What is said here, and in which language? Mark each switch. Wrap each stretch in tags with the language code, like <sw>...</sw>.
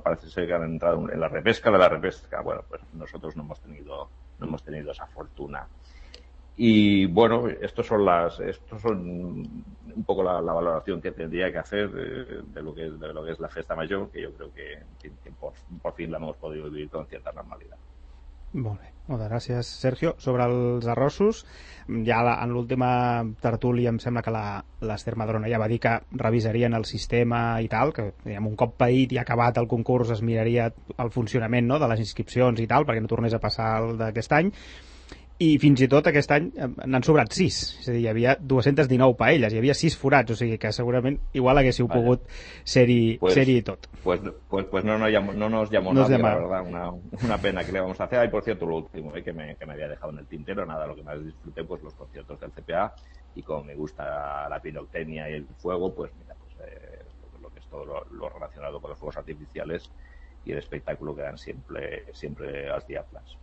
<es>Parece ser que han entrado en la repesca de la repesca. Bueno, pues nosotros no hemos tenido esa fortuna. Y bueno, estos son un poco la valoración que tendría que hacer de lo que es la fiesta mayor, que yo creo que por fin la hemos podido vivir con cierta normalidad.</es> <ca>Molt bé, moltes gràcies, Sergio. Sobre els arrossos, ja en l'última tertúlia em sembla que l'Ester Madrona ja va dir que revisarien el sistema i tal, que diguem, un cop paït i acabat el concurs es miraria el funcionament, no?, de les inscripcions i tal, perquè no tornés a passar el d'aquest any. I fins i tot aquest any n'han sobrat 6, és a dir, hi havia 219 paelles, hi havia 6 forats, o sigui que segurament igual haguéssiu pogut ser-hi tot.</ca> <es>Pues no nos llamó nadie, la verdad, una pena que le vamos a hacer. Ay, por cierto, lo último que me había dejado en el tintero, nada, lo que más disfruté, pues los conciertos del CPA, y como me gusta la pirotecnia y el fuego, pues mira, pues lo que es todo lo relacionado con los fuegos artificiales y el espectáculo que dan siempre</es> <ca>als diables.</ca>